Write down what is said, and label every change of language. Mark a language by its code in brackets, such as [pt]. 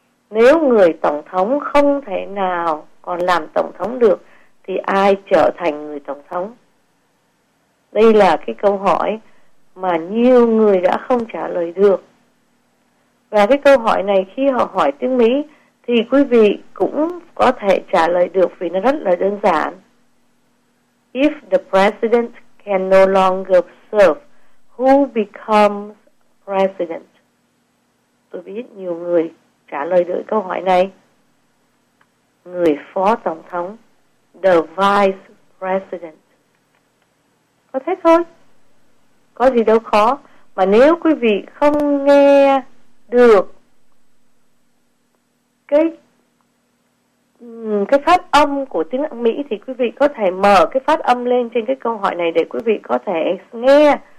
[vi] Nếu người tổng thống không thể nào còn làm tổng thống được thì ai trở thành người tổng thống? Đây là cái câu hỏi mà nhiều người đã không trả lời được. Và cái câu hỏi này khi họ hỏi tiếng Mỹ thì quý vị cũng có thể trả lời được vì nó rất là đơn giản. [en] If the president can no longer serve, who becomes president? [vi] Tôi biết nhiều người trả lời được câu hỏi này. Người phó tổng thống, [en] the vice president. [vi] Có thế thôi. Có gì đâu khó. Mà nếu quý vị không nghe được cái phát âm của tiếng Mỹ thì quý vị có thể mở cái phát âm lên trên cái câu hỏi này để quý vị có thể nghe.